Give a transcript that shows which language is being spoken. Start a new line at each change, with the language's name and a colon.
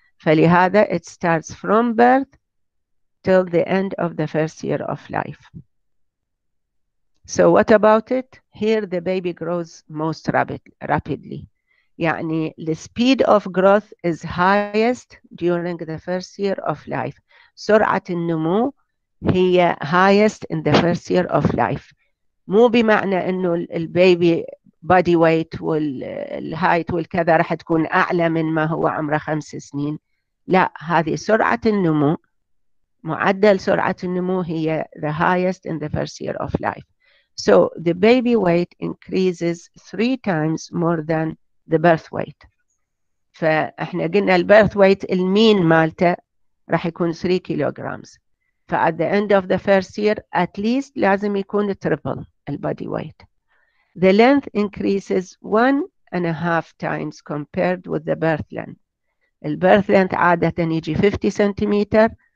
Arabic: فلهذا
English: it starts from birth till the end of the first year of life. So what about it? Here the baby grows most rapidly. يعني the speed of growth is highest during the first year of life.
Arabic: سرعة النمو هي
English: highest in the first year of life.
Arabic: مو بمعنى انه البيبي
English: body weight
Arabic: والهايت والكذا راح تكون اعلى من ما هو عمره 5 سنين. لا، هذه سرعة النمو، معدل سرعة النمو هي
English: the highest in the first year of life. So the baby weight increases 3 times more than the birth weight.
Arabic: فاحنا قلنا ال birth weight المين مالته راح يكون 3 كيلوغرامز.
English: ف at the end of the first year at least
Arabic: لازم يكون
English: triple ال body weight. The length increases 1.5 times compared with the birth length.
Arabic: ال birth length عادة يجي 50 سنتيمتر.